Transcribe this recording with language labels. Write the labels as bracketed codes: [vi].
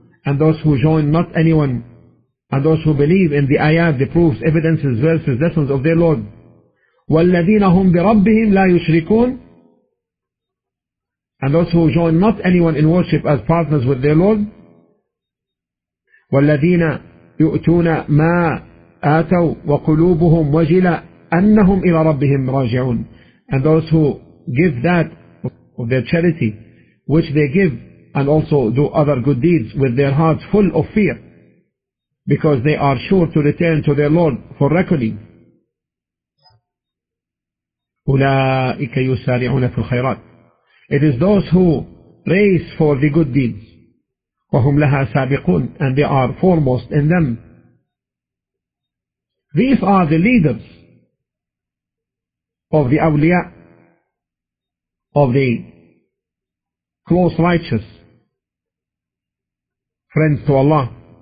[en] And those who join not anyone, and those who believe in the ayat, the proofs, evidences, verses, lessons of their Lord. [ar] وَالَّذِينَ هُمْ بِرَبِّهِمْ لَا يُشْرِكُونَ. [en] And those who join not anyone in worship as partners with their Lord. [ar] وَالَّذِينَ يُؤْتُونَ مَا آتوا وقلوبهم وجلة أنهم إلى ربهم راجعون. [en] And those who give that of their charity which they give, and also do other good deeds with their hearts full of fear, because they are sure to return to their Lord for reckoning. [ar] أولئك يسارعون في الخيرات. [en] It is those who race for the good deeds. [ar] وهم لها سابقون. [en] And they are foremost in them. These are the leaders of the awliya, of the close righteous, friends to Allah.